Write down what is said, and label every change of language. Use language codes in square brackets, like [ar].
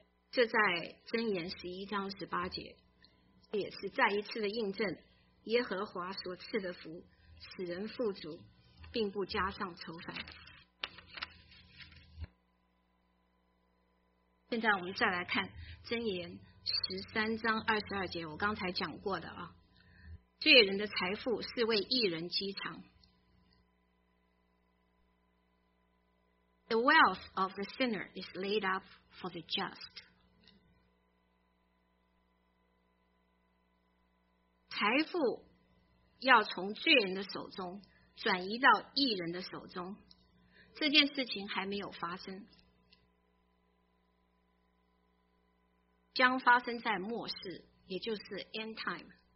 [zh] 这在箴言11:18，这也是再一次的印证耶和华所赐的福，使人富足，并不加上愁烦。现在我们再来看箴言13:22，我刚才讲过的啊，罪人的财富是为义人积藏。 [en] The wealth of the sinner is laid up for the just. [zh] 财富要从罪人的手中转移到义人的手中，这件事情还没有发生，将发生在末世，也就是 end time。